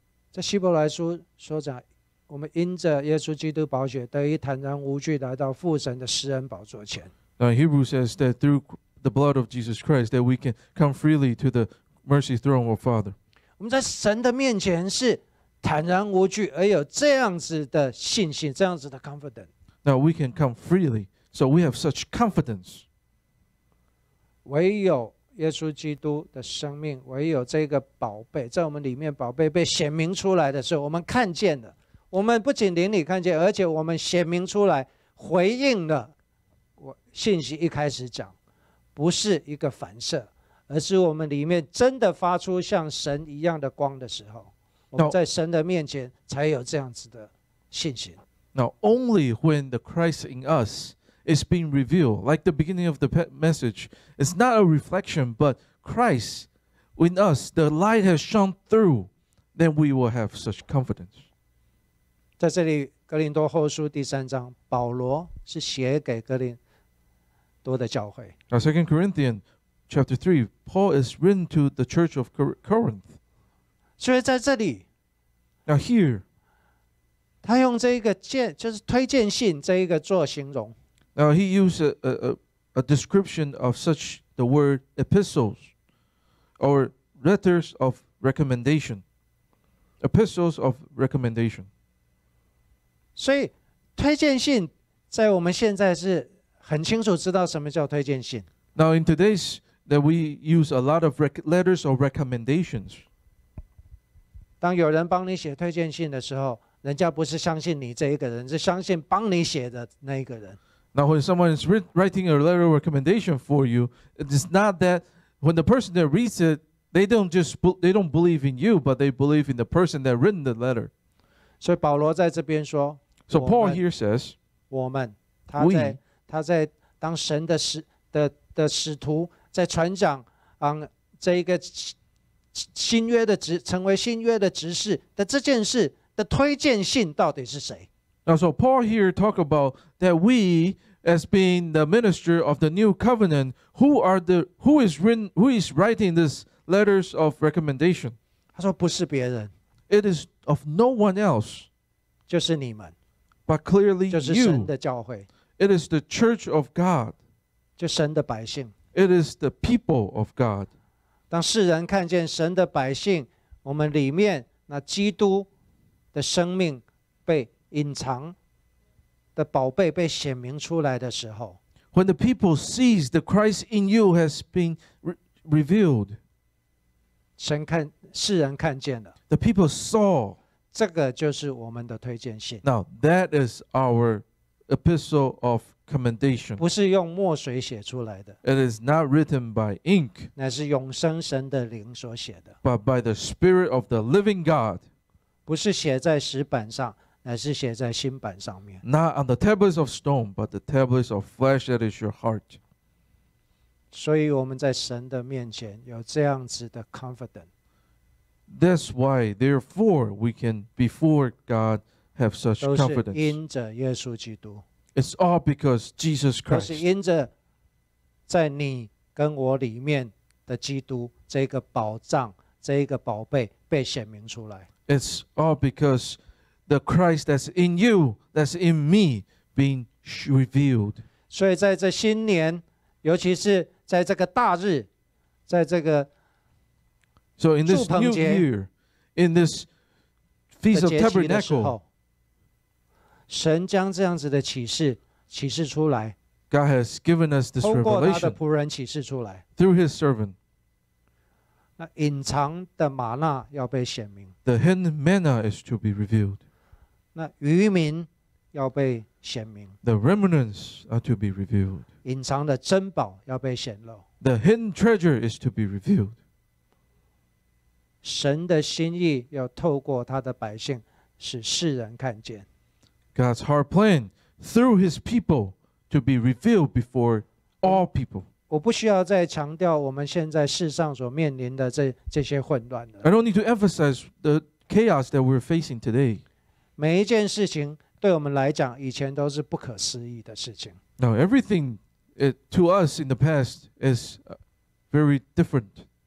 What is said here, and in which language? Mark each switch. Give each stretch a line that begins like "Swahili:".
Chinese: 在希伯来书说着，我们因着耶稣基督宝血得以坦然无惧来到父神的施恩宝座前。
English: Now, Hebrews says that through the blood of Jesus Christ, that we can come freely to the mercy throne of Father.
Chinese: 我们在神的面前是坦然无惧，而有这样子的信心，这样子的 confidence。
English: Now we can come freely, so we have such confidence.
Chinese: 唯有耶稣基督的生命，唯有这个宝贝，在我们里面宝贝被显明出来的时候，我们看见了。我们不仅灵里看见，而且我们显明出来，回应了我信息一开始讲，不是一个反射，而是我们里面真的发出像神一样的光的时候，我们在神的面前才有这样子的信心。
English: Now, only when the Christ in us is being revealed, like the beginning of the message, it's not a reflection, but Christ in us, the light has shone through, then we will have such confidence.
Chinese: 在这里，哥林多后书第三章，保罗是写给哥林多的教会。
English: Now, 2 Corinthians chapter 3, Paul is written to the church of Corinth.
Chinese: 所以在这里
English: Now, here,
Chinese: 他用这个荐，就是推荐信这一个做形容。
English: Now he used a description of such the word epistles or letters of recommendation, epistles of recommendation.
Chinese: 所以推荐信在我们现在是很清楚知道什么叫推荐信。
English: Now in today's that we use a lot of letters of recommendations.
Chinese: 当有人帮你写推荐信的时候。人家不是相信你这一个人，是相信帮你写的那一个人。
English: Now, when someone is writing a letter of recommendation for you, it is not that when the person that reads it, they don't believe in you, but they believe in the person that written the letter.
Chinese: 所以保罗在这边说。
English: So Paul here says,
Chinese: 我们，他在当神的使徒，在传讲，这一个新约的执，成为新约的执事的这件事。的推荐信到底是谁？
English: Now, so Paul here talk about that we, as being the minister of the new covenant, who is writing these letters of recommendation?
Chinese: 他说不是别人。
English: It is of no one else.
Chinese: 就是你们。
English: But clearly,
Chinese: 就是神的教会。
English: You, It is the church of God.
Chinese: 就神的百姓。
English: It is the people of God.
Chinese: 当世人看见神的百姓，我们里面那基督的生命被隐藏的宝贝被显明出来的时候。
English: When the people see the Christ in you has been revealed.
Chinese: 神看，世人看见了。
English: The people saw.
Chinese: 这个就是我们的推荐信。
English: Now that is our epistle of commendation.
Chinese: 不是用墨水写出来的。
English: It is not written by ink.
Chinese: 那是永生神的灵所写的。
English: But by the spirit of the living God.
Chinese: 不是写在石板上。乃是写在心板上面。
English: Not on the tablets of stone, but the tablets of flesh that is your heart.
Chinese: 所以我们在神的面前有这样子的 confidence.
English: That's why, therefore, we can before God have such confidence.
Chinese: 都是因着耶稣基督。
English: It's all because Jesus Christ.
Chinese: 都是因着在你跟我里面的基督这个宝藏这个宝贝被显明出来。
English: It's all because the Christ that's in you, that's in me, being revealed.
Chinese: 所以在这新年，尤其是在这个大日，在这个
English: ，So in this new year, in this Feast of Tabernacles,
Chinese: 神将这样子的启示启示出来。
English: God has given us this revelation.
Chinese: 通过他的仆人启示出来。
English: Through His servant.
Chinese: 那隐藏的玛纳要被显明。
English: The hidden manna is to be revealed.
Chinese: 那渔民要被显明
English: ，The remnants are to be revealed.
Chinese: 隐藏的珍宝要被显露
English: ，The hidden treasure is to be revealed.
Chinese: 神的心意要透过他的百姓，使世人看见。
English: God's heart plan through His people to be revealed before all people.
Chinese: 我不需要再强调我们现在世上所面临的这些混乱了。
English: I don't need to emphasize the chaos that we're facing today.
Chinese: 每一件事情对我们来讲，以前都是不可思议的事情。
English: Now everything to us in the past is very different.